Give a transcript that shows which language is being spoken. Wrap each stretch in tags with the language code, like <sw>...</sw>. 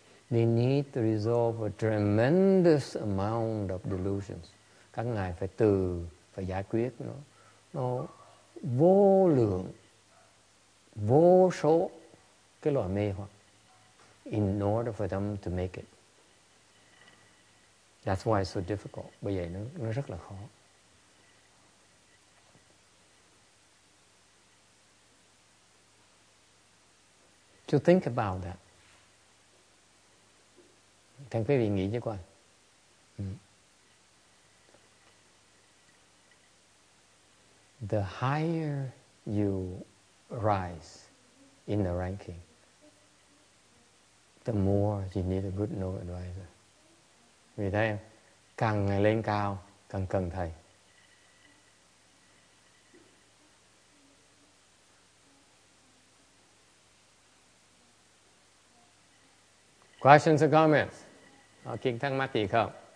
<en>They need to resolve a tremendous amount of delusions.</en> <vi>Các ngài phải giải quyết nó vô lượng, vô số cái loại mê hoặc</vi> <en>in order for them to make it. That's why it's so difficult.</en> <vi>Bởi vậy nó rất là khó.</vi> <en>To think about that.</en> <vi>Thành quý vị nghĩ chứ coi.</vi> <en>The higher you rise in the ranking, the more you need a good noble advisor.</en> <vi>Vì thế, càng ngày lên cao, càng cần thầy.</vi> <en>Questions or comments?</en> <vi>Có kiến thắc mắc gì không?</vi>